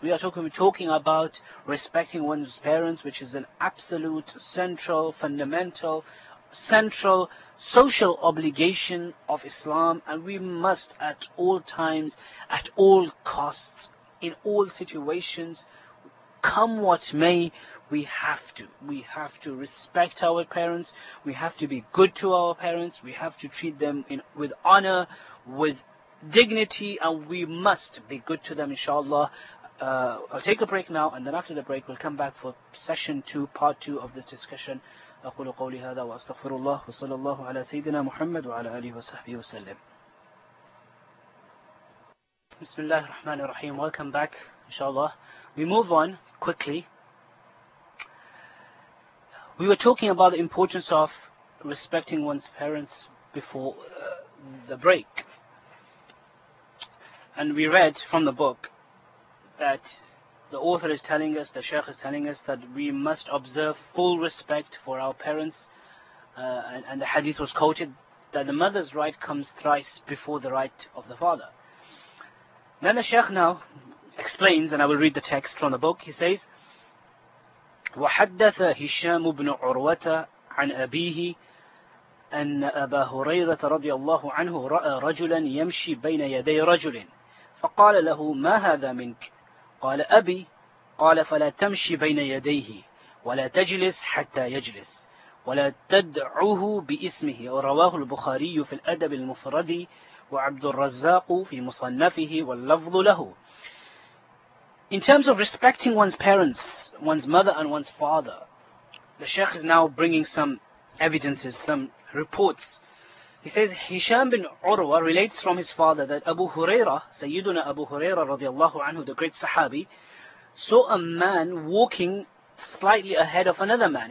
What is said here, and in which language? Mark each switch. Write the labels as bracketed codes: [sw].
[en] We are talking about respecting one's parents, which is an absolute, central, fundamental, central social obligation of Islam, and we must at all times, at all costs, in all situations, come what may, we have to respect our parents, we have to be good to our parents, we have to treat them with honor, with dignity, and we must be good to them, inshallah. I'll take a break now, and then after the break we'll come back for session 2, part 2 of this discussion. [ar] أقول قولي هذا وأستغفر الله وصلى الله على سيدنا محمد وعلى آله وصحبه وسلم. بسم الله الرحمن الرحيم. [en] Welcome back, inshallah. We move on quickly. We were talking about the importance of respecting one's parents before the break. And we read from the book that the author is telling us, the Sheikh is telling us, that we must observe full respect for our parents. And the hadith was quoted that the mother's right comes thrice before the right of the father. Then the Sheikh now explains, and I will read the text from the book. He says, [ar] وَحَدَّثَ هِشَامُ بْنُ عُرْوَةَ عَنْ أَبِيهِ أَنَّ أَبَا هُرَيْرَةَ رَضِيَ اللَّهُ عَنْهُ رَأَى رَجُلًا يَمْشِي بَيْنَ يَدَيْ رَجُلٍ فَقَالَ لَهُ مَا هَذَا مِنْكَ قال أبي قال فلا تمشي بين يديه ولا تجلس حتى يجلس ولا تدعوه باسمه رواه البخاري في الأدب المفرد وعبد الرزاق في مصنفه واللفظ له. [en] In terms of respecting one's parents, one's mother and one's father, the Sheikh is now bringing some evidences, some reports. He says, Hisham bin Urwa relates from his father that Abu Huraira, Sayyiduna Abu Huraira radiallahu anhu, the great Sahabi, saw a man walking slightly ahead of another man.